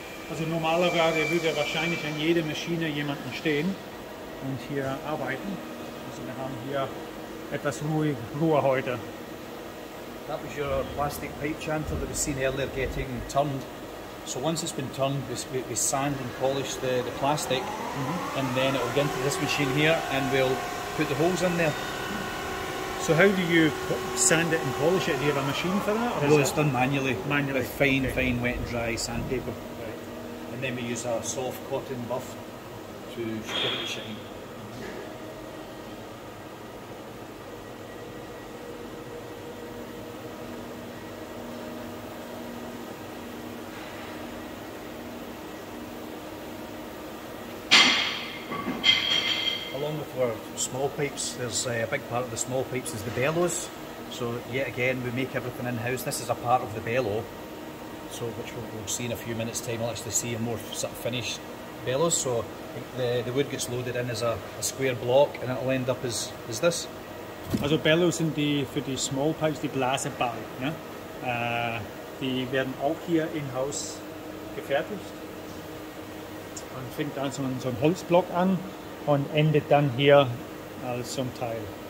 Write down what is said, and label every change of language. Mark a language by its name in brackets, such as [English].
[German] Also normalerweise würde wahrscheinlich an jeder Maschine jemanden stehen und hier arbeiten. Also wir haben hier etwas Ruhe heute. [English] That was your plastic pipe chanter that was seen earlier getting turned. So once it's been turned, we sand and polish the plastic, mm-hmm. and then it will get into this machine here and we'll put the holes in there. So how do you sand it and polish it? Do you have a machine for that? Or no, it's done manually. Manually. With fine, okay. fine wet and dry sandpaper. Right. And then we use a soft cotton buff to give it a shine. Small pipes, there's a big part of the small pipes is the bellows. So yet again we make everything in-house. This is a part of the bellow, so which we'll see in a few minutes time. We'll actually see a more sort of finished bellows. So the wood gets loaded in as a square block and it'll end up as this. [German] Also bellows sind die für die small pipes, die Blasebalg, ne? Die werden auch hier in-house gefertigt. Man fängt dann so einen Holzblock an und endet dann hier als so ein Teil.